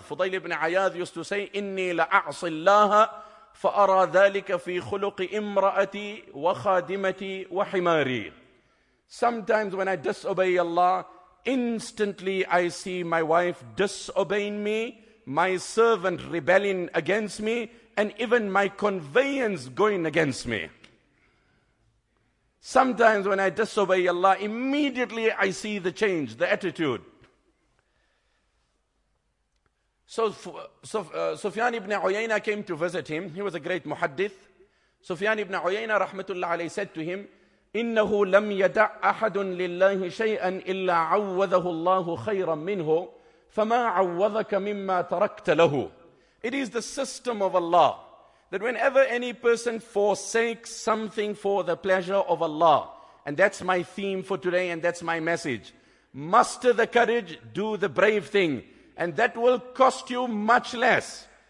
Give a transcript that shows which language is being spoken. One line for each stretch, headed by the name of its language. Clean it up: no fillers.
English: Fudayl ibn Ayyad used to say,
Arabic: inni la'a'si allaha, فَأَرَى ذَلِكَ فِي خُلُقِ إِمْرَأَتِي وَخَادِمَتِي وَحِمَارِي
English: Sometimes when I disobey Allah, instantly I see my wife disobeying me, my servant rebelling against me, and even my conveyance going against me. Sometimes when I disobey Allah, immediately I see the change, the attitude. So Sufyan ibn Uyayna came to visit him. He was a great muhaddith. Sufyan ibn Uyayna rahmatullah alayhi said to him,
Arabic: إِنَّهُ لَمْ يَدَعْ أَحَدٌ لِلَّهِ شَيْئًا إِلَّا عَوَّذَهُ اللَّهُ خَيْرًا مِّنْهُ فَمَا عَوَّذَكَ مِمَّا تَرَكْتَ لَهُ.
English: It is the system of Allah that whenever any person forsakes something for the pleasure of Allah, and that's my theme for today and that's my message, muster the courage, do the brave thing, and that will cost you much less.